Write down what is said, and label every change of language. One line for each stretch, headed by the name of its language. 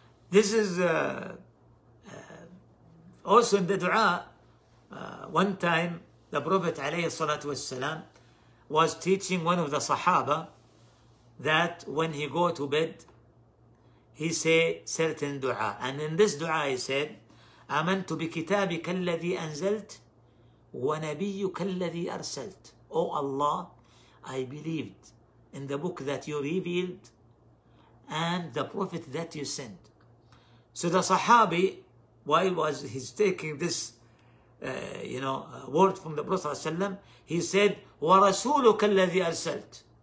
English: This is also in the dua. One time the Prophet alayhi salatu wa sallam was teaching one of the sahaba that when he go to bed, he say certain dua. And in this dua he said,
Arabic: آمنت بكتابك الذي أنزلت ونبيك الذي أرسلت.
English: O Allah, I believed in the book that you revealed and the prophet that you sent. So the sahabi, while was he's taking this word from the Prophet ﷺ, he said,
Arabic: ورسولك الذي أرسلت.